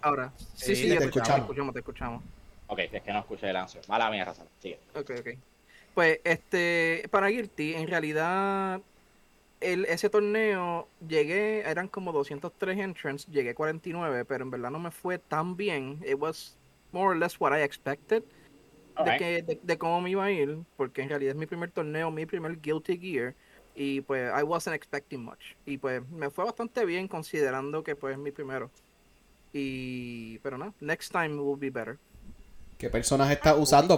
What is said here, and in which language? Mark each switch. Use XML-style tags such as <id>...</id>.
<es>Ahora, sí, te escuchamos. Ok, es que no escuché el answer. Mala mía, Razón. Sigue. Ok. Pues, para Guilty, en realidad, ese torneo, llegué, eran como 203 entrants, llegué 49, pero en verdad no me fue tan bien.</es> <en>It was more or less what I expected. Okay.</en> <es>De cómo me iba a ir, porque en realidad es mi primer torneo, mi primer Guilty Gear. Y pues,</es> <en>I wasn't expecting much.</en> <es>Y pues, me fue bastante bien considerando que pues es mi primero. Pero no,</es> <en>next time will be better.</en> <es>¿Qué personaje estás usando?</es>